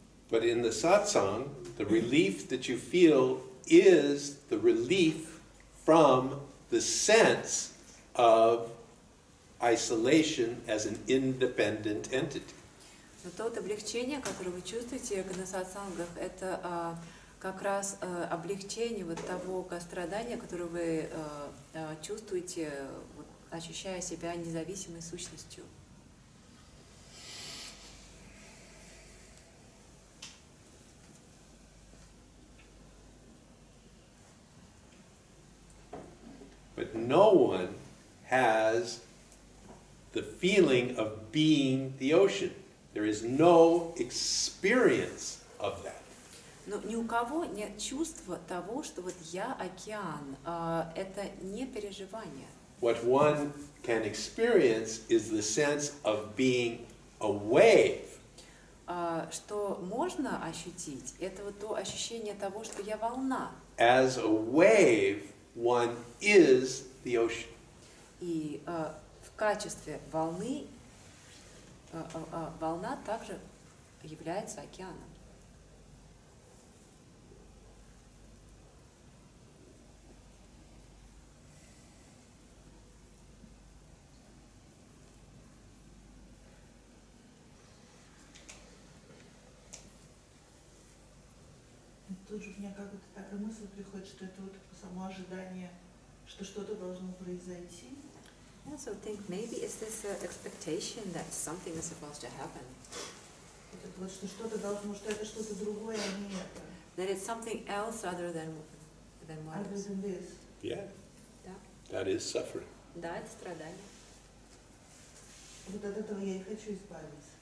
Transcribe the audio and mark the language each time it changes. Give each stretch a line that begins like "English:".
English: But in the satsang, the relief that you feel is the relief from the sense of isolation as an independent entity.
Russian: Но то облегчение, которое вы чувствуете на сатсангах, это как раз облегчение вот того кострадания, которое вы чувствуете, ощущая себя независимой сущностью.
English: But no one has the feeling of being the ocean. There is no experience of that.
Russian: Но ни у кого нет чувства того, что вот я океан. Это не переживание.
English: What one can experience is the sense of being a wave.
Russian: Что можно ощутить, это вот то ощущение того, что я волна.
English: As a wave, one is the ocean.
Russian: И в качестве волны, волна также является океаном. Тут же у меня как-то такая мысль приходит, что это вот само ожидание, что что-то должно произойти.
English: I also think maybe is this expectation that something is supposed to happen.
Russian: Вот что что-то должно, что это что-то другое, а не это.
English: That it's something else other than what other is. Than this. Yeah.
Russian: Да.
English: That is suffering.
Russian: Да, это страдание. Вот от этого я и хочу избавиться.